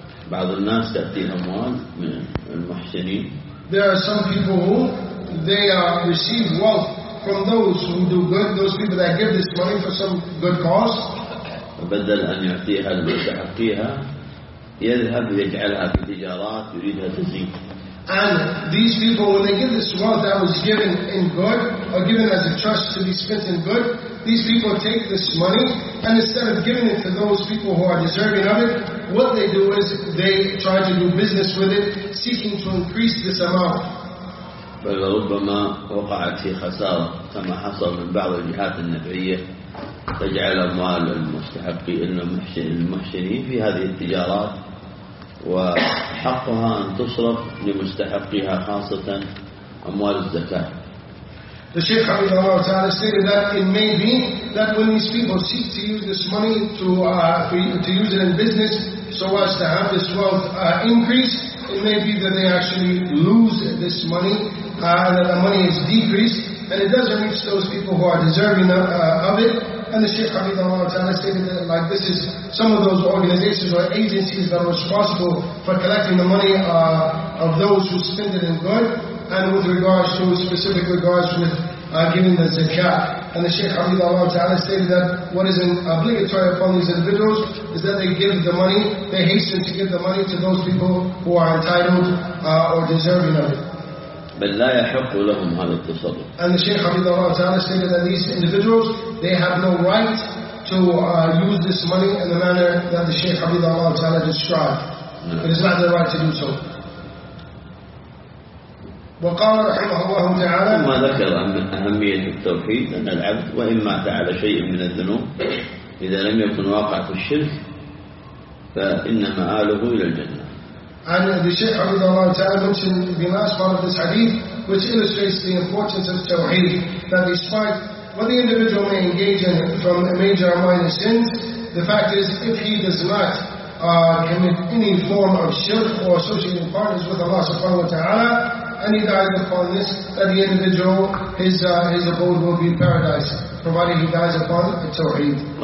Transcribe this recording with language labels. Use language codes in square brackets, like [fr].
[ar] بعض الناس تأتيه أموال من المحسنين. [en] There are some people who they receive wealth from those who do good, those people that give this money for some good cause. [ar] وبدل أن يعطيها لمستحقيها يذهب يجعلها في تجارات يريدها تزيد. [en] And these people, when they give this wealth that was given in good or given as a trust to be spent in good, these people take this money and instead of giving it to those people who are deserving of it, what they do is they try to do business with it, seeking to increase this amount. [ar] بل ربما وقعت في خسارة كما حصل من بعض الجهات النفعية. تجعل أموال المستحقين المحسنين في هذه التجارات وحقها أن تصرف لمستحقيها خاصة أموال الزكاة. [en] The Shaykh [ar] حفظه الله تعالى [en] stated that it may be that when these people seek to use this money to use it in business so as to have this wealth increase, it may be that they actually lose this money and that the money is decreased and it doesn't reach those people who are deserving of it. And the Shaykh Hafidh Allah Ta'ala stated that like this is some of those organizations or agencies that are responsible for collecting the money of those who spend it in good and with regards to specific regards with giving the zakat. And the Shaykh Hafidh Allah Ta'ala stated that what is obligatory upon these individuals is that they give the money, they hasten to give the money to those people who are entitled or deserving of it. [ar] بل لا يحق لهم هذا التصرف. [en] And the Shaykh [ar] حفظه الله تعالى [en] said that these individuals they have no right to use this money in the manner that the Shaykh حفظه الله تعالى described. It is not their right to do so. [ar] وقال رحمه الله تعالى ما ذكر عن أهمية التوحيد أن العبد وإن مات على شيء من الذنوب إذا لم يكن واقع في الشرك فإن مآله إلى الجنة. [en] And the Shaykh Hafidh Allah Ta'ala mentioned the last part of this hadith, which illustrates the importance of Tawheed, that despite what the individual may engage in from major or minor sins, the fact is, if he does not commit any form of shirk or associating partners with Allah Subhanahu Wa Ta'ala, and he dies upon this, that the individual, his abode will be in paradise, provided he dies upon the Tawheed.